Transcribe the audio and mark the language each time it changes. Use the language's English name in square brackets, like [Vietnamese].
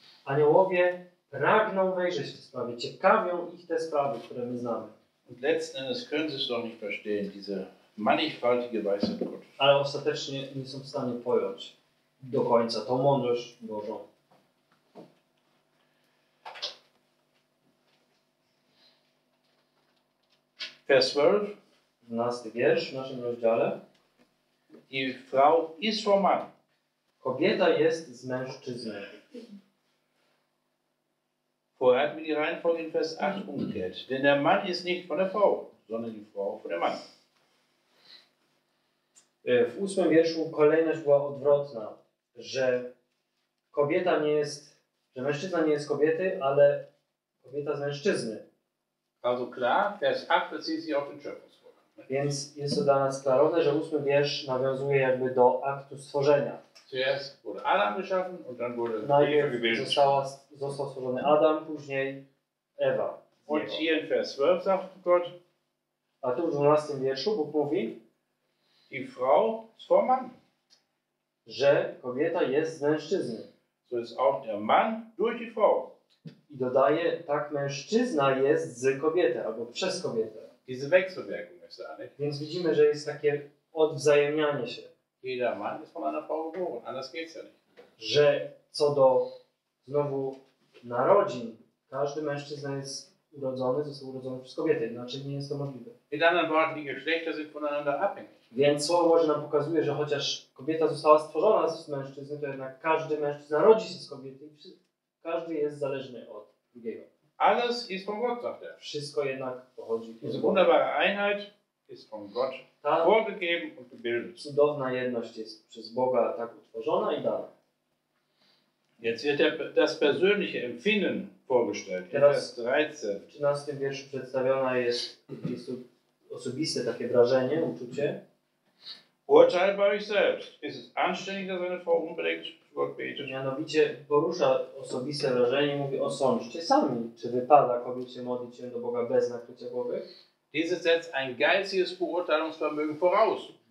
[Polish] Aniołowie pragną wejrzeć w te sprawy. Ciekawią ich te sprawy, które my znamy. [German] Und letzten Endes können Sie es doch nicht verstehen, diese mannigfaltige Weisheit Gottes. [Polish] Ale ostatecznie nie są w stanie pojąć do końca tą mądrość Bożą. [German] Vers 12. [Polish] 12 wiersz w naszym rozdziale. [German] Die Frau ist vom Mann. [Polish] Kobieta jest z mężczyzny. [German] Vorher hat mir die Reihenfolge in Vers 8 umgekehrt. Denn der Mann ist nicht von der Frau, sondern die Frau von dem Mann. [Polish] W 8 wierszu kolejność była odwrotna, że kobieta nie jest, że mężczyzna nie jest kobiety, ale kobieta z mężczyzny. [German] Also klar, Vers 8 bezieht sich auf den Schöpfungsvorgang. [Polish] Więc jest to dla nas klarowne, że 8 wiersz nawiązuje jakby do aktu stworzenia. [German] Zuerst wurde Adam geschaffen und dann wurde [Polish] Najpierw został stworzony Adam, później Ewa. [German] Und hier in Vers 12 sagt Gott. [Polish] A tu w 12 wierszu Bóg mówi. [German] Die Frau ist vom Mann. [Polish] Że kobieta jest z mężczyzny. [German] So ist auch der Mann durch die Frau. [Polish] I dodaje, tak mężczyzna jest z kobietą, albo przez kobietę. [German] Diese Wechselwirkung ist da, nicht? [Polish] Więc widzimy, że jest takie odwzajemnianie się. [German] Jeder Mann ist von einer Frau geboren, anders geht's ja nicht. [Polish] Że co do znowu narodzin, każdy mężczyzna jest urodzony, został urodzony przez kobietę, inaczej nie jest to możliwe. [German] In anderen Worten, die Geschlechter sind voneinander abhängig. [Polish] Więc Słowo Boże nam pokazuje, że chociaż kobieta została stworzona z mężczyzny, to jednak każdy mężczyzna rodzi się z kobiety i każdy jest zależny od drugiego. [German] Alles ist von Gott, sagt er. [Polish] Wszystko jednak pochodzi z Boga. [German] Wunderbare Einheit ist von Gott vorgegeben und gebildet. [Polish] Cudowna jedność jest przez Boga tak utworzona i dana. [German] Jetzt wird das persönliche Empfinden vorgestellt. [Polish] Teraz w 13. wierszu przedstawiona jest osobiste takie wrażenie, uczucie. [German] Urteil bei euch selbst. Ist es anständig, dass eine Frau unbedingt Gott betet? [Polish] Mianowicie porusza osobiste wrażenie i mówi: osądźcie sami, czy wypada kobiecie modlić się do Boga bez nakrycia głowy? [German] Dieses setzt ein geistiges Beurteilungsvermögen voraus.